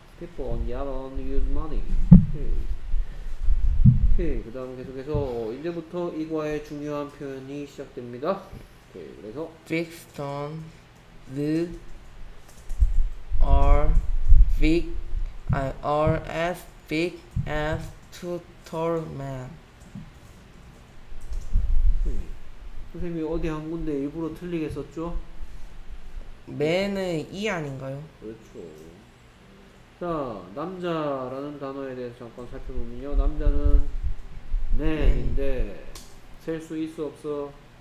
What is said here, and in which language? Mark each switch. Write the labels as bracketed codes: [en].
[en] People on Yavan use money. [ko] 오케이. 그 다음 계속해서 이제부터 이과의 중요한 표현이 시작됩니다. 오케이. 그래서 [en] Big stones are big, are as big as two tall men. [ko] 선생님이 어디 한 군데 일부러 틀리게 썼죠? man은 이 아닌가요? 그렇죠. 자, 남자라는 단어에 대해서 잠깐 살펴보면요. 남자는 man인데 셀 수 있어 없어?